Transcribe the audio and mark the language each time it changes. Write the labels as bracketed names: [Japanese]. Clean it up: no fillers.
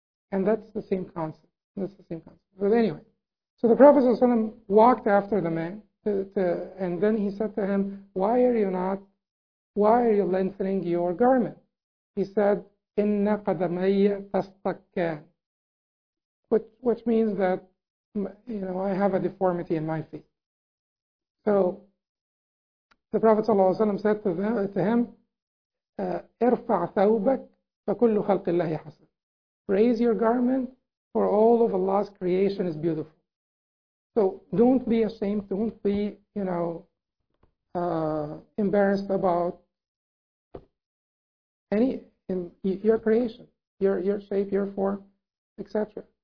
[English] And that's the same concept. But anyway. So the Prophet ﷺ walked after the man, and then he said to him, why are you lengthening your garment? He said, [Arabic] إِنَّ قَدَمَيَّ تَسْتَكَّانَ, [English] which means that, you know, I have a deformity in my feet. So the Prophet ﷺ said to him, [Arabic] ارفع ثوبك فكل خلق الله حسن. [English] Raise your garment, for all of Allah's creation is beautiful. So don't be ashamed, don't be, you know, embarrassed about any in your creation, your shape, your form, etc.